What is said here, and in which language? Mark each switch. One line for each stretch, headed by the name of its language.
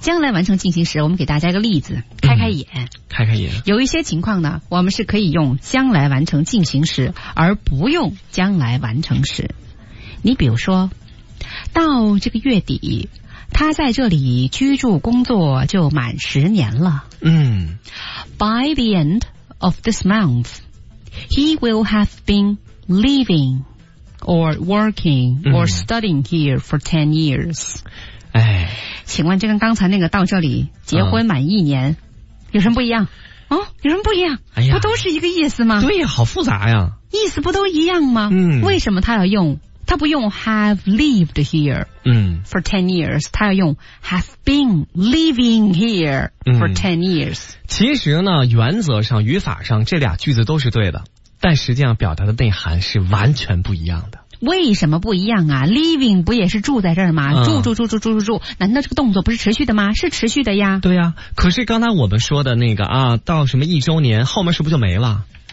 Chinese: 将来完成进行时，我们给大家一个例子，开开眼、嗯、开开眼。有一些情况呢，我们是可以用将来完成进行时而不用将来完成时。你比如说到这个月底，他在这里居住工作就满十年了。嗯。
English: By the end of this month, he will have been living or working or studying here for 10 years.
Chinese: 哎。请问这跟刚才那个到这里结婚满一年、嗯、有什么不一样？哦，有什么不一样？哎呀。不都是一个意思吗？对呀，好复杂呀。意思不都一样吗？嗯。为什么他要用？他不用
English: have lived here for 10 years、
Chinese: 嗯、他要用
English: have been living here for 10 years、
Chinese: 嗯、其实呢原则上语法上这俩句子都是对的，但实际上表达的内涵是完全不一样的。为什么不一样啊？ living 不也是住在这儿吗、嗯、住住住住住住住，难道这个动作不是持续的吗？是持续的呀。对啊，可是刚才我们说的那个啊，到什么一周年后面是不是就没了？